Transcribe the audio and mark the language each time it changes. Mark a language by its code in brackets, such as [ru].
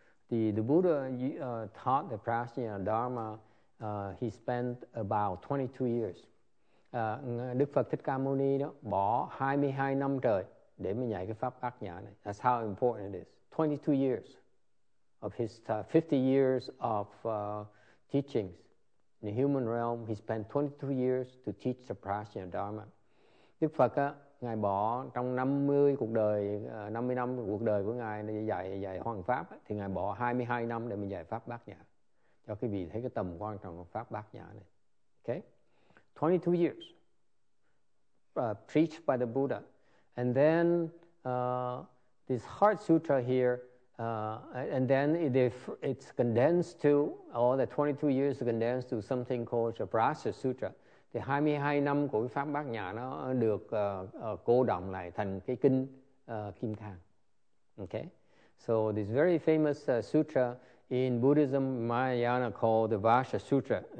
[en] The Buddha taught the Prajna Dharma. He spent about 22 years [vi] Đức Phật Thích Ca Mâu Ni đó bỏ 22 năm trời để mà dạy cái pháp Bát Nhã này. [en] That's how important it is. 22 years of his 50 years of teachings in the human realm, he spent 22 years to teach the Prajna Dharma. [vi] Đức Phật á, ngài bỏ trong 50 cuộc đời 50 năm cuộc đời của ngài để dạy hoằng pháp á, thì ngài bỏ 22 năm để mình dạy pháp Bát Nhã. Cho quý vị thấy cái tầm quan trọng của pháp Bát Nhã này. [en] Okay? 22 years preached by the Buddha. And then this Heart Sutra here, and then it's condensed to, all the 22 years condensed to something called the Brahma Sutra. [vi] Thì 22 năm của pháp Bát Nhã nó được cô đọng lại thành cái kinh Kim Cang. [en] Okay? So this very famous sutra in Buddhism, Mahayana, called the Vāsa Sutra.